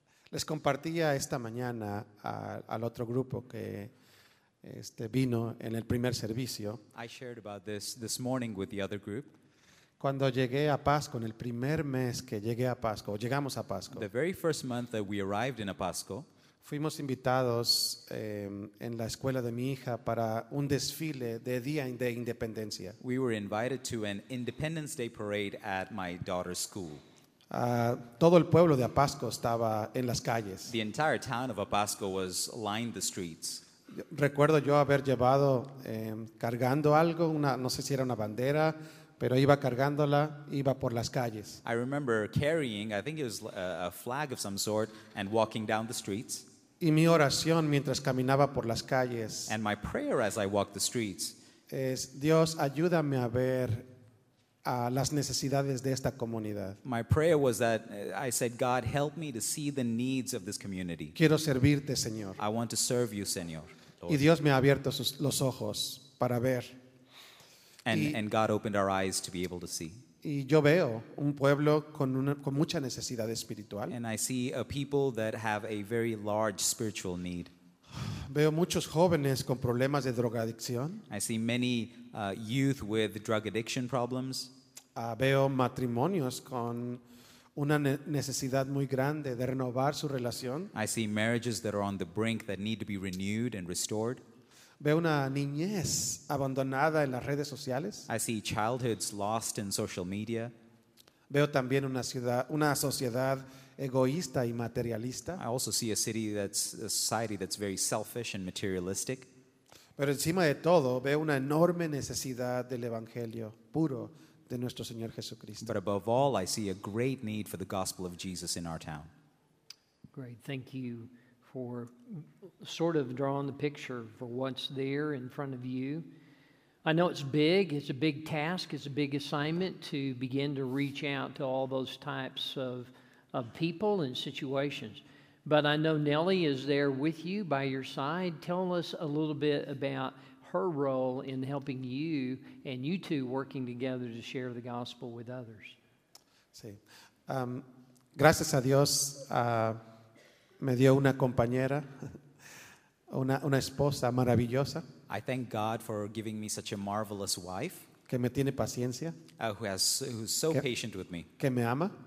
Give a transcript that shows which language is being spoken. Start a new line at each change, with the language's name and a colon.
Spanish: Les compartía esta mañana al otro grupo que vino en el primer servicio.
English: I shared about this morning with the other group.
Spanish: Cuando llegué a Pasco, en el primer mes que llegué a Pasco, llegamos a Pasco.
English: The very first month that we arrived in Apaxco,
Spanish: fuimos invitados en la escuela de mi hija para un desfile de Día de Independencia.
English: We were invited to an Independence Day parade at my daughter's school.
Spanish: Todo el pueblo de Apaxco estaba en las calles.
English: The entire town of Apaxco was lined the streets.
Spanish: Recuerdo yo haber llevado cargando algo, no sé si era una bandera, pero iba cargándola, iba por las calles.
English: I remember carrying, I think it was a flag of some sort, and walking down the streets.
Spanish: Y mi oración mientras caminaba por las calles.
English: And my prayer as I walked the streets.
Spanish: Es, Dios, ayúdame a ver las necesidades de esta comunidad.
English: My prayer was that I said, God, help me to see the needs of this community.
Spanish: Quiero servirte, Señor.
English: I want to serve you, Señor.
Spanish: Y Dios me ha abierto los ojos para ver.
English: And God opened our eyes to be able to see.
Spanish: Y yo veo un pueblo con mucha necesidad espiritual.
English: And I see a people that have a very large spiritual need.
Spanish: Veo muchos jóvenes con problemas de drogadicción.
English: I see many youth with drug addiction problems.
Spanish: Veo matrimonios con una necesidad muy grande de renovar su relación.
English: I see marriages that are on the brink that need to be renewed and restored.
Spanish: Veo una niñez abandonada en las redes sociales.
English: I see childhoods lost in social media.
Spanish: Veo también una sociedad egoísta y materialista.
English: I also see a society that's very selfish and materialistic.
Spanish: Pero encima de todo, veo una enorme necesidad del evangelio puro de nuestro Señor Jesucristo.
English: But above all, I see a great need for the gospel of Jesus in our town. Great, thank you for sort of drawing the picture for what's there in front of you. I know it's big, it's a big task, it's a big assignment to begin to reach out to all those types of people and situations. But I know Nelly is there with you by your side. Tell us a little bit about her role in helping you and you two working together to share the gospel with others.
Spanish: Sí. Gracias a Dios, me dio una compañera, una esposa maravillosa.
English: I thank God for giving me such a marvelous wife.
Spanish: Que me tiene paciencia.
English: Who's so patient with me.
Spanish: Que me ama.